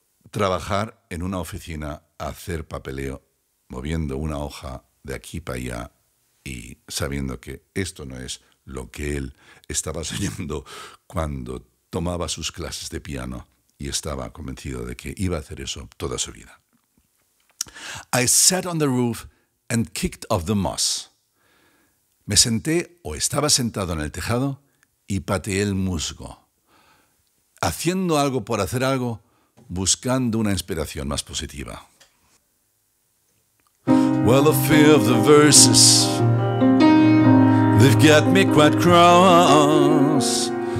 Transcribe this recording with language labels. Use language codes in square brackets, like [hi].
[es] trabajar en una oficina, hacer papeleo, moviendo una hoja de aquí para allá y sabiendo que esto no es lo que él estaba soñando cuando tomaba sus clases de piano y estaba convencido de que iba a hacer eso toda su vida. [en] I sat on the roof and kicked off the moss. [es] Me senté o estaba sentado en el tejado y pateé el musgo, haciendo algo por hacer algo, buscando una inspiración más positiva. [en] Well, a few of the verses, they've got me quite cross.